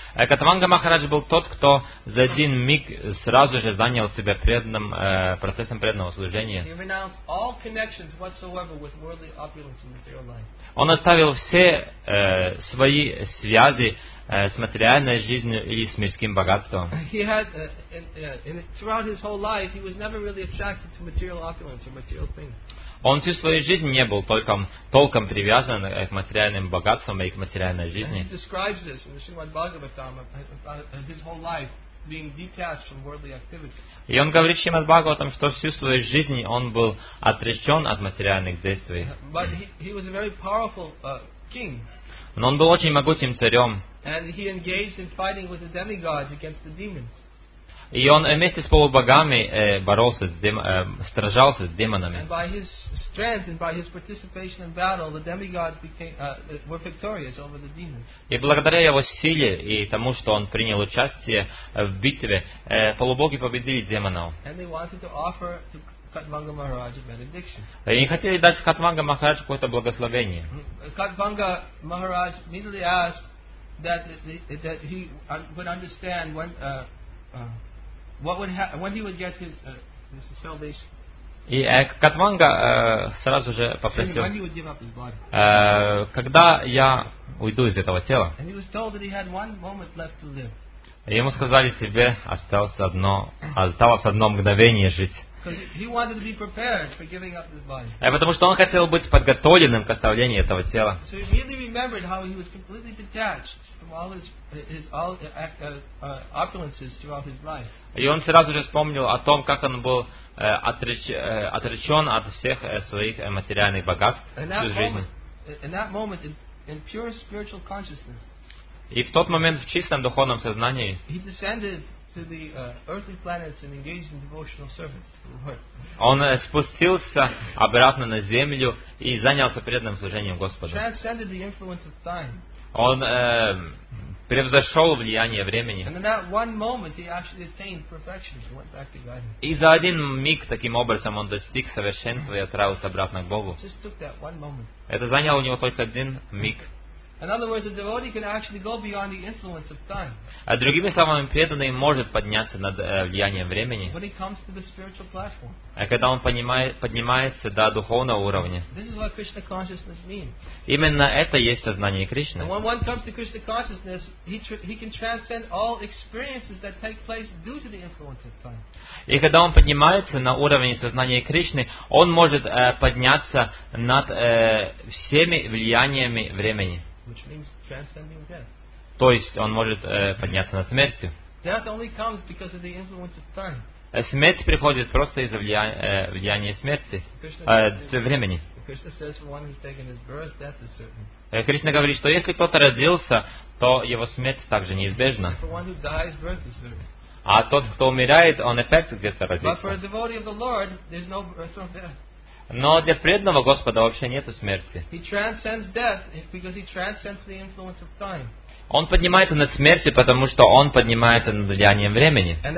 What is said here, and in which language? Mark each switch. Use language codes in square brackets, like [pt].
[ru] Катванга Махарадж был тот, кто за один миг сразу же занял себя преданным процессом преданного служения. [en] He renounced all connections whatsoever with worldly opulence and material life. [ru] Он оставил все свои связи с материальной жизнью или с мирским богатством. [en] Throughout his whole life, he was never really attracted to material opulence or material things. [ru] Он всю свою жизнь не был толком привязан к материальным богатствам и к материальной жизни. [en] He describes this in the Srimad Bhagavatam, his whole life being detached from worldly activities. [ru] И он говорит Шримад Бхагаватам, что всю свою жизнь он был отрешен от материальных действий. [en] But he was a very powerful king. [ru] Но он был очень могучим царем. [en] And he engaged in fighting with the demigods against the demons. [ru] И он вместе с полубогами боролся, сражался с демонами. [en] And by his strength and by his participation in battle, the demigods were victorious over the demons. [ru] И благодаря его силе и тому, что он принял участие в битве, полубоги победили демонов. [en] And they wanted to offer to Katvanga Maharaj a benediction. [ru] И они хотели дать Катванга Махарадж какое-то благословение. [en] Катванга Махарадж immediately asked that he would understand when he would get his salvation. [ru] И Катванга сразу же попросил, [en] when he would give up his body. [ru] Когда я уйду из этого тела. [en] And he was told that he had one moment left to live. [ru] Ему сказали, тебе осталось одно мгновение жить. [en] Because he wanted to be prepared for giving up his body. [ru] Потому что он хотел быть подготовленным к оставлению этого тела. [en] So he really remembered how he was completely detached from all his opulences throughout his life. [ru] И он сразу же вспомнил о том, как он был отречен от всех своих материальных богатств всю жизнь. [en] In that moment, in pure spiritual consciousness. [ru] И в тот момент в чистом духовном сознании. [en] He descended to the earthly planets and engaged in devotional service. [ru] Он спустился обратно на землю и занялся преданным служением Господу. [en] Transcended the influence of time. [ru] Он превзошел влияние времени. [en] And in that one moment, he actually attained perfection and went back to God. [ru] И за один миг таким образом он достиг совершенства и отправился обратно к Богу. [en] Just took that one moment. [ru] Это заняло у него только один миг. [en] In other words, a devotee can actually go beyond the influence of time. [ru] А другими словами, преданный может подняться над влиянием времени. [en] When he comes to the spiritual platform. [ru] А когда он поднимается до духовного уровня. [en] This is what Krishna consciousness means. [ru] Именно это есть сознание Кришны. [en] And when one comes to Krishna consciousness, he can transcend all experiences that take place due to the influence of time. [ru] И когда он поднимается на уровень сознания Кришны, он может подняться над всеми влияниями времени. [en] Which means transcending death. [ru] То есть он может подняться над смертью. [en] Death only comes because of the influence of time. [ru] Смерть приходит просто из-за влияния смерти, времени. [en] Krishna says, for one who's taken his birth, death is certain. [ru] Кришна говорит, что если кто-то родился, то его смерть также неизбежна. [en] For one who dies, birth is certain. [ru] А тот, кто умирает, он опять где-то родится. [en] But for a devotee of the Lord, there's no birth or death. [ru] Но для преданного Господа вообще нет смерти. [en] He transcends death because he transcends the influence of time. [ru] Он поднимается над смертью, потому что он поднимается над влиянием времени.